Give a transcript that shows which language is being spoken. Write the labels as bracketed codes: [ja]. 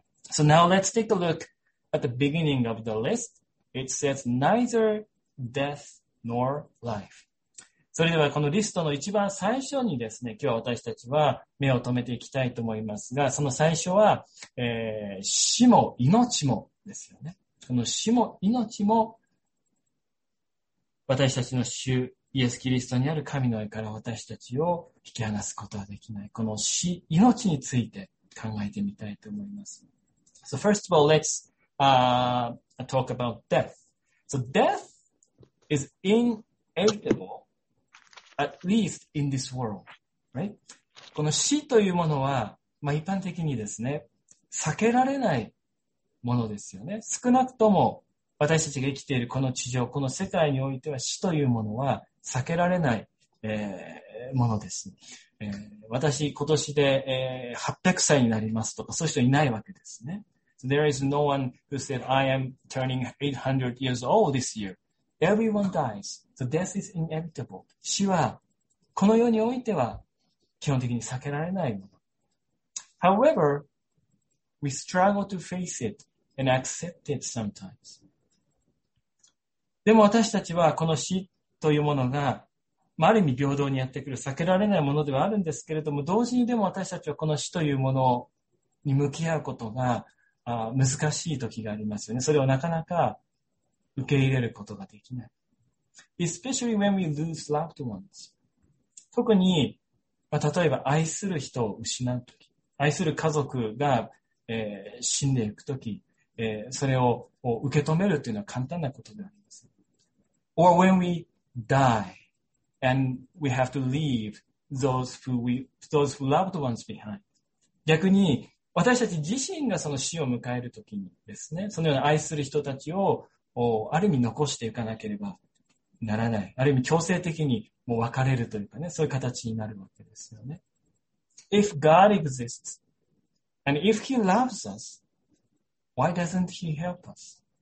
[en] So now let's take a look at the beginning of the list.It says, neither death nor life。 [ja] それではこのリストの一番最初にですね、今日は私たちは目を留めていきたいと思いますが、その最初は、死も命もですよね。この死も命も私たちの主イエスキリストにある神の愛から私たちを引き離すことはできない。この死、命について考えてみたいと思います。 [en] So first of all, let's, talk about death. So death is inevitable, at least in this world, right? [ja] この死というものは、まあ一般的にですね、避けられないものですよね。少なくとも私たちが生きているこの地上、この世界においては死というものは避けられない、ものです、私今年で、800歳になりますとかそういう人いないわけですね。 [en] So there is no one who said I am turning 800 years old this year. Everyone dies. So death is inevitable. [ja] 死はこの世においては基本的に避けられないもの。 [en] However, we struggle to face it and accept it sometimes. [ja] でも私たちはこの死というものが、まあ、ある意味平等にやってくる避けられないものではあるんですけれども、同時にでも私たちはこの死というものに向き合うことが難しい時がありますよね。それをなかなか受け入れることができない。 [en] Especially when we lose loved ones. [ja] 特に、まあ、例えば愛する人を失うとき、愛する家族が、死んでいくとき、それを受け止めるというのは簡単なことではありません。 [en] Or when we die and we have to leave those who loved ones behind. [ja] 逆に私たち自身がその死を迎えるときにですね、そのような愛する人たちをある意味残していかなければならない。ある意味強制的にもう別れるというかね、そういう形になるわけですよね。 [en] If God exists and if He loves us, why doesn't He help us?